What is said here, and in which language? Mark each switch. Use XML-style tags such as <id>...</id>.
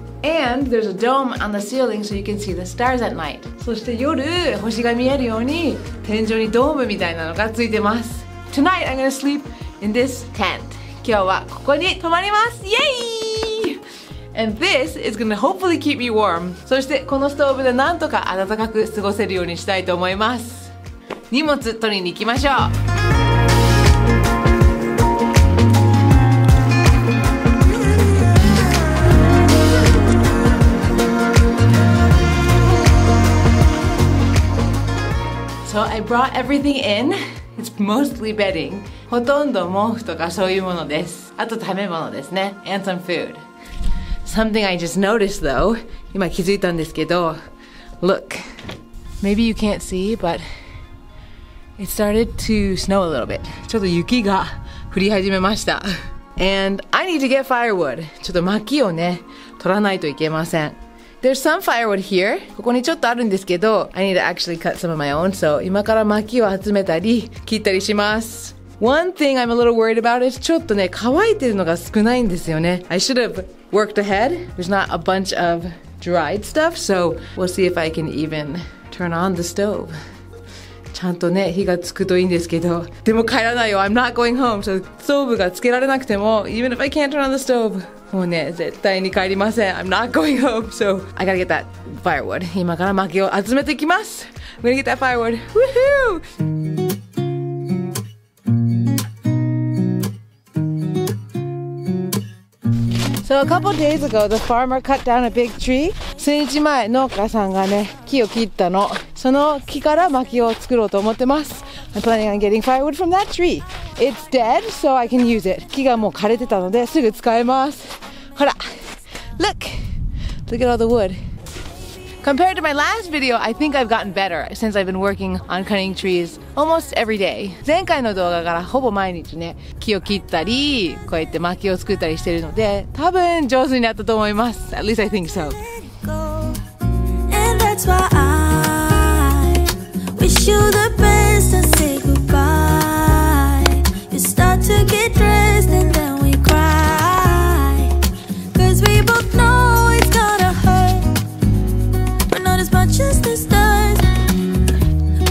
<en>And there's a dome on the ceiling so you can see the stars at night.</en> <ja>そして夜星が見えるように天井にドームみたいなのがついてます。</ja> <en>Tonight I'm gonna sleep in this tent.</en> <ja>今日はここに泊まります。</ja> <en>Yay! And this is gonna hopefully keep me warm.</en> <ja>そしてこのストーブでなんとか暖かく過ごせるようにしたいと思います。荷物取りに行きましょう。</ja> <en>So I brought everything in. It's mostly bedding.</en> <ja>ほとんど毛布とかそういうものです。あと食べ物ですね。</ja> <en>And some food. Something I just noticed though.</en> <ja>今気づいたんですけど。</ja> <en>Look. Maybe you can't see, but it started to snow a little bit.</en> <ja>ちょっと雪が降り始めました。</ja> <en>And I need to get firewood.</en> <ja>ちょっと薪をね、取らないといけません。</ja> <en>There's some firewood here.</en> <ja>ここにちょっとあるんですけど、</ja> <en>I need to actually cut some of my own, so</en> <ja>今から薪を集めたり、切ったりします。</ja> <en>One thing I'm a little worried about is</en> <ja>ちょっとね、乾いてるのが少ないんですよね。</ja> <en>I should have worked ahead. There's not a bunch of dried stuff, so we'll see if I can even turn on the stove.</en> <ja>ちゃんとね、火がつくといいんですけど、でも帰らないよ。</ja> <en>I'm not going home. So</en> <ja>ストーブがつけられなくても、</ja> <en>even if I can't turn on the stove.</en> <ja>もうね、絶対に帰りません。</ja> <en>I'm not going home, so I gotta get that firewood.</en> <ja>今から薪を集めていきます。</ja> <en>I'm gonna get that firewood. Woohoo! So a couple days ago, the farmer cut down a big tree.</en> <ja>数日前、農家さんがね、木を切ったの。その木から薪を作ろうと思ってます。</ja> <en>I'm planning on getting firewood from that tree. It's dead, so I can use it.</en> <ja>木がもう枯れてたのですぐ使えます。ほら、</ja> <en>look! Look at all the wood. Compared to my last video, I think I've gotten better since I've been working on cutting trees almost every day.</en> <ja>前回の動画からほぼ毎日ね、木を切ったり、こうやって薪を作ったりしてるので、多分上手になったと思います。</ja> <en>At least I think so. And that's why I wish you the best and say goodbye. You start to get dressed and then we cry. Cause we both know it's gonna hurt, but not as much as this does.</en>